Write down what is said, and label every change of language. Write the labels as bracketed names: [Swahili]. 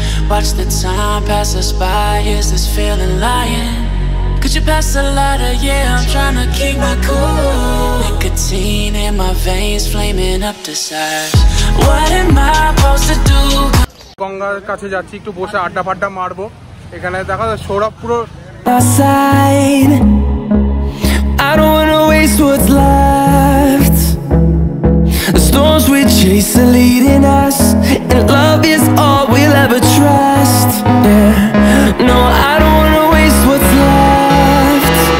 [English] Watch the time pass us by, is this feeling lying? Could you pass the lighter? Yeah, I'm trying to keep my cool. Nicotine in my veins, flaming up to size. What am I supposed to do? [Bangla] গঙ্গার কাছে যাচ্ছি, একটু বসে আড্ডা ফাড্ডা মারবো। এখানে দেখা যায় সৌরভ পুরো [English] side. I don't wanna waste what's left. The storms we chase are leading us, and love is all we'll ever trust. Yeah, no, I don't wanna waste what's left.